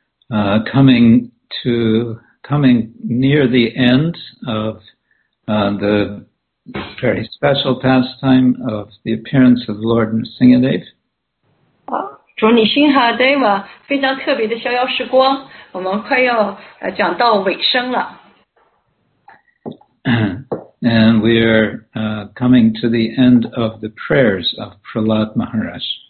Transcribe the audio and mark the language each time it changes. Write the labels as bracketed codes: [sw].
[en] Coming near the end of the very special pastime of the appearance of Lord Nrsimhadev. [zh] 主尼辛哈德瓦非常特别的逍遥时光, 我们快要讲到尾声了。 [en] And we are coming to the end of the prayers of Prahlad Maharaj.